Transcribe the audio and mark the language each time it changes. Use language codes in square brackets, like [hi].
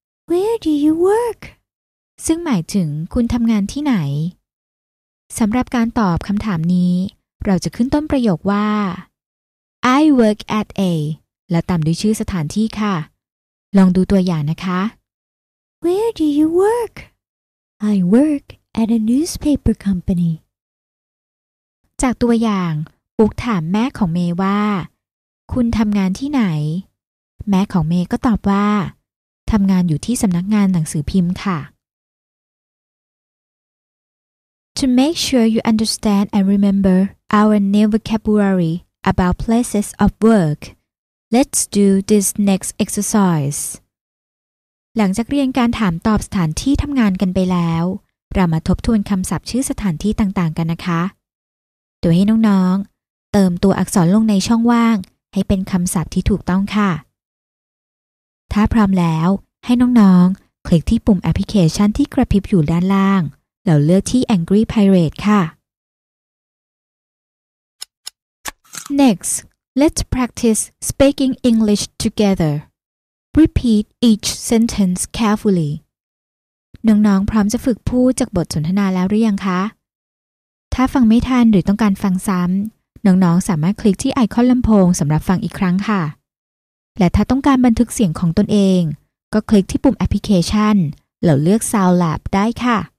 [en] Where do you work? [th] ซึ่งหมายถึงคุณทำงานที่ไหนสำหรับการตอบคำถามนี้เราจะขึ้นต้นประโยคว่า [en] I work at a [th] และตามด้วยชื่อสถานที่ค่ะลองดูตัวอย่างนะคะ [en] Where do you work? I work at a newspaper company. [th] จากตัวอย่างปุ๊กถามแม่ของเมย์ว่าคุณทำงานที่ไหนแม่ของเมย์ก็ตอบว่าทำงานอยู่ที่สำนักงานหนังสือพิมพ์ค่ะ [en] To make sure you understand and remember our new vocabulary about places of work, let's do this next exercise. [th] หลังจากเรียนการถามตอบสถานที่ทำงานกันไปแล้วเรามาทบทวนคำศัพท์ชื่อสถานที่ต่างๆกันนะคะเดี๋ยวให้น้องๆเติมตัวอักษรลงในช่องว่างให้เป็นคำศัพท์ที่ถูกต้องค่ะถ้าพร้อมแล้วให้น้องๆคลิกที่ปุ่มแอปพลิเคชันที่กระพริบอยู่ด้านล่างแล้วเลือกที่ Angry Pirate ค่ะ [en] Next, let's practice speaking English together. Repeat each sentence carefully. [th] น้องๆพร้อมจะฝึกพูดจากบทสนทนาแล้วหรือยังคะถ้าฟังไม่ทันหรือต้องการฟังซ้ำน้องๆสามารถคลิกที่ไอคอนลำโพงสำหรับฟังอีกครั้งค่ะและถ้าต้องการบันทึกเสียงของตนเองก็คลิกที่ปุ่มแอปพลิเคชันแล้วเลือก Sound Lab ได้ค่ะ